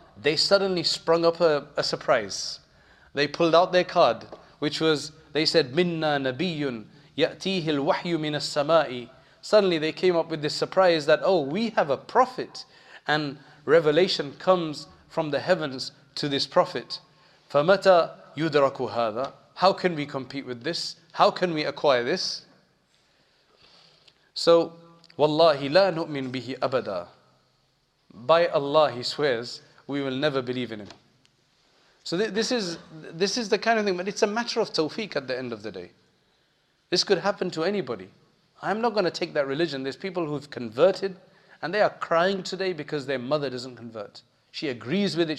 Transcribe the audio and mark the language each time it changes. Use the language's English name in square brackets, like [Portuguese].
[English] They suddenly sprung up a surprise. They pulled out their card, which was, they said, [Arabic] مِنَّا نَبِيٌّ يَأْتِيهِ الْوَحْيُ مِنَ السَّمَاءِ. [English] Suddenly they came up with this surprise that, oh, we have a prophet and revelation comes from the heavens to this prophet. [Arabic] فَمَتَى يُدْرَكُ هَذَا. [English] How can we compete with this? How can we acquire this? [Arabic] So, وَاللَّهِ لَا نُؤْمِن بِهِ أَبَدًا. [English] By Allah, he swears, we will never believe in him. So this is the kind of thing, but it's a matter of tawfiq at the end of the day. This could happen to anybody. I'm not going to take that religion. There's people who've converted, and they are crying today because their mother doesn't convert. She agrees with it.